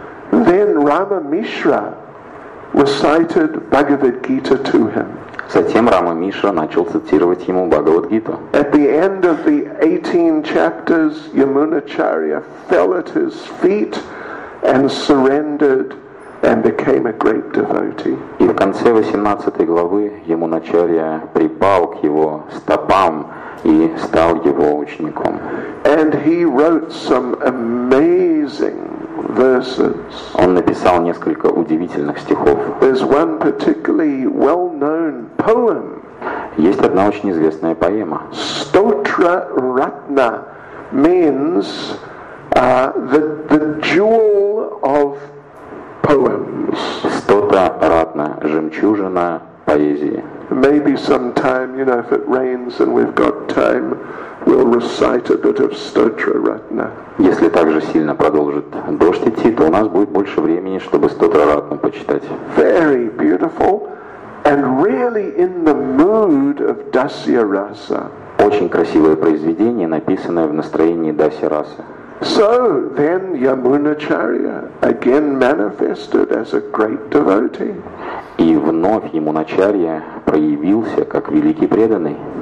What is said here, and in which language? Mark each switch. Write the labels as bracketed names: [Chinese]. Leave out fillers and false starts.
[English] Then Rama Mishra recited Bhagavad Gita to him. [Russian] Затем Рама Мишра начал цитировать ему Бхагавад Гиту. [English] At the end of the 18 chapters, Yamunacharya fell at his feet and surrendered and became a great devotee. [Russian] И в конце 18 главы Ямуначарья припал к его стопам и стал его учеником. [English] And he wrote some amazing verses. [Russian] Он написал несколько удивительных стихов. [English] There's one particularly well-known poem. [Russian] Есть одна очень известная поэма. [English] Stotra Ratna means the jewel of poems. [Russian] Stotra Ratna, жемчужина поэзии. [English] Maybe sometime, you know, if it rains and we've got time, we'll recite a bit of Stotra Ratna. [Russian] Если также сильно продолжит дождь идти, то у нас будет больше времени, чтобы Stotra Ratna почитать. [English] Very beautiful and really in the mood of Dasya Rasa. [Russian] Очень красивое произведение, написанное в настроении Дасья Раса. [English] So then Yamunacharya again manifested as a great devotee. [Russian] И вновь Ямуначарья проявился как великий преданный.